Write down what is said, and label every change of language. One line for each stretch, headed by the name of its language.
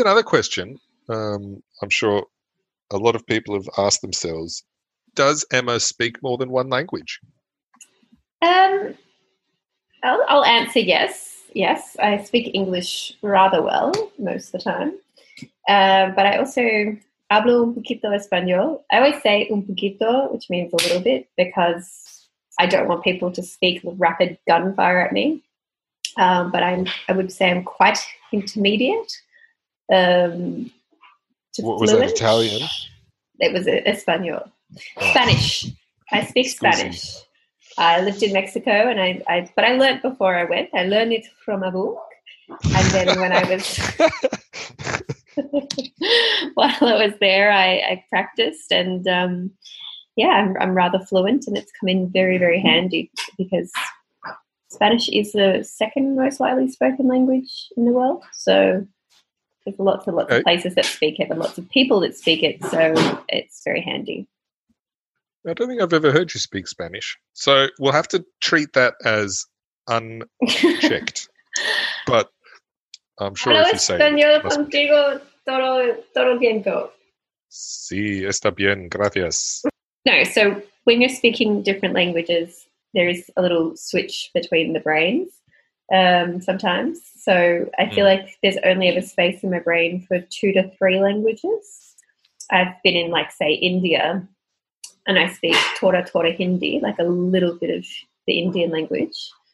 English: another question. I'm sure a lot of people have asked themselves, does Emma speak more than one language? I'll answer yes. Yes, I speak English rather well most of the time. But I also
Spanish: hablo un poquito español.
English: I always say
Spanish: un poquito,
English: which means a little bit, because I don't want people to speak with rapid gunfire at me. But I would say I'm quite intermediate. Was that Italian? It was Espanol. Spanish. I speak Spanish. I lived in Mexico, and I learned before I went. I learned it from a book, and then when I was while I was there, I practiced, and I'm rather fluent, and it's come in very, very handy because Spanish is the second most widely spoken language in the world. So there's lots of places that speak it, and lots of people that speak it. So it's very handy. I don't think I've ever heard you speak Spanish. So we'll have to treat that as unchecked. But I'm sure if you say
Spanish: español contigo todo el tiempo. Sí, está bien, gracias.
English: No, so when you're speaking different languages, there is a little switch between the brains sometimes. So I feel like there's only ever space in my brain for 2 to 3 languages. I've been in, like, say, India, and I speak Tora Hindi, like a little bit of the Indian language.